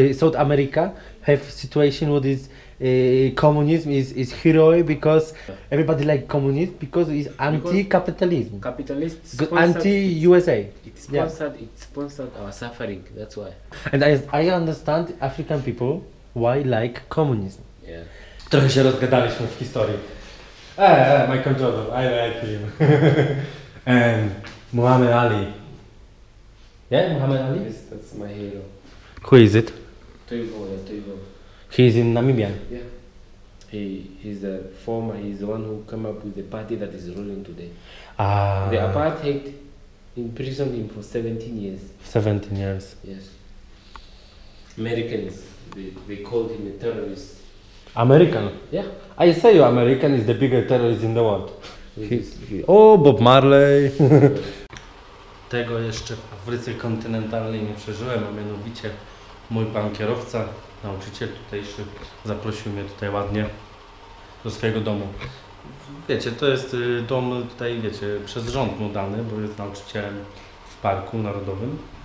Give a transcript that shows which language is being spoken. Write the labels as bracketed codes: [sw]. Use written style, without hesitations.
[en] In South America have situation what is... communism is heroic because everybody like communist because it's anti-capitalism. Capitalists anti-USA. It sponsored our suffering, that's why. And I understand African people why like communism. Yeah. [pl] Trochę się rozgadaliśmy w historii. [en] Michael Jordan, I like him. And Muhammad Ali. Yeah, Muhammad Ali? Yes, that's my hero. Who is it? Tuivo. He's in Namibia? Yeah. He's the former, he's the one who came up with the party that is ruling today. The apartheid imprisoned him for 17 years. 17 years. Yes. Americans, they called him a terrorist. American? Yeah. I say you, American is the biggest terrorist in the world. Bob Marley. [pl] Tego jeszcze w Afryce kontynentalnej nie przeżyłem, a mianowicie mój pan kierowca, nauczyciel tutejszy, zaprosił mnie tutaj ładnie do swojego domu. Wiecie, to jest dom tutaj, wiecie, przez rząd mu dany, bo jest nauczycielem w Parku Narodowym.